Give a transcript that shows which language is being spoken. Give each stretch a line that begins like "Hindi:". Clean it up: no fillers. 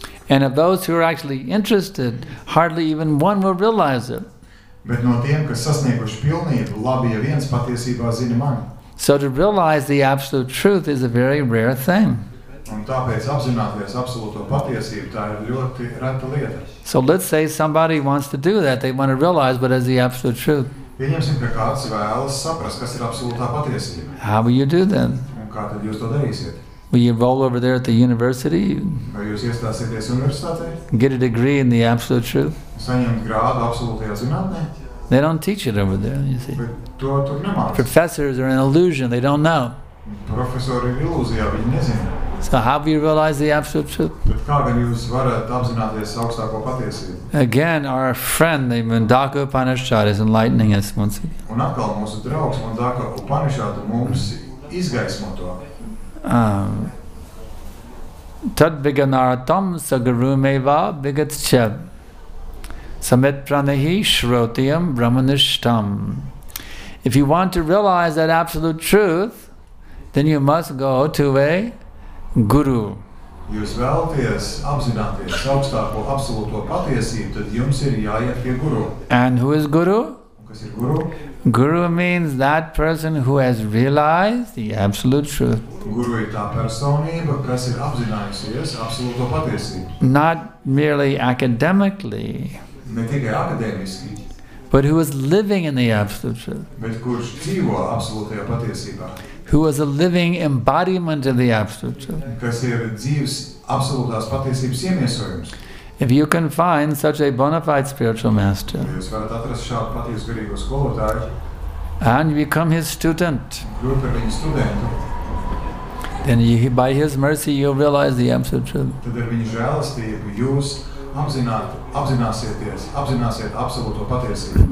English: And of those who are actually interested, hardly even one will realize it. So to realize the absolute truth is a very rare thing.
Latvian: Un tāpēc apzināties absolūto patiesību, tā ir ļoti reta lieta.
English: So let's say somebody wants to do that, they want to realize what is the absolute truth.
Latvian: Pieņemsim, ka kāds vēlas saprast, kas ir absolūtā patiesība.
English: How will you do then?
Latvian: Un kā tad jūs to darīsiet?
English: Will you roll over there at the university?
Latvian: Vai jūs iestāsieties universitātē?
English: Get a degree in the absolute truth?
Latvian: Saņemt grādu absolūtajā zinātnē?
English: They don't teach it over there, you see.
Latvian: Bet to tur nemāc.
English: Professors are an illusion, they don't know.
Latvian: Profesori ir ilūzijā, viņi nezina.
English: So how do you realize the absolute truth?
Latvian: But kā gan jūs varat apzināties augstāko patiesību?
English: Again, our friend, the Mundaka Upanishad, is enlightening us once again.
Latvian: Un atkal mūsu draugs, Mundaka Upanishad, mums izgaismo to.
Sanskrit: tad viganaratam sagarumeva vigat cha samet pranahi shrotiyam brahmanishtam.
English: If you want to realize that absolute truth, then you must go to a guru.
Latvian: Jūs vēlaties apzināties augstāko absolūto patiesību, tad jums ir jāiet pie guru.
English: And who is guru?
Latvian: Kas ir guru?
English: Guru means that person who has realized the absolute truth.
Latvian: Guru ir tā personība, kas ir apzinājusies absolūto patiesību.
English: Not merely academically.
Latvian: Ne tikai akadēmiski.
English: But who is living in the absolute truth.
Latvian: Bet kurš dzīvo absolūtajā patiesībā.
English: Who is a living embodiment of the absolute truth.
Latvian: Kas ir dzīves absolūtās patiesības iemiesojums.
English: If you can find such a bona fide spiritual master,
Latvian: jūs varat atrast šādu patiesu garīgo skolotāju,
English: and become his student,
Latvian: kļūt par viņu studentu,
English: then by his mercy you realize the absolute truth.
Latvian: Tad ar viņa žēlastību jūs apzināsiet absolūto patiesību.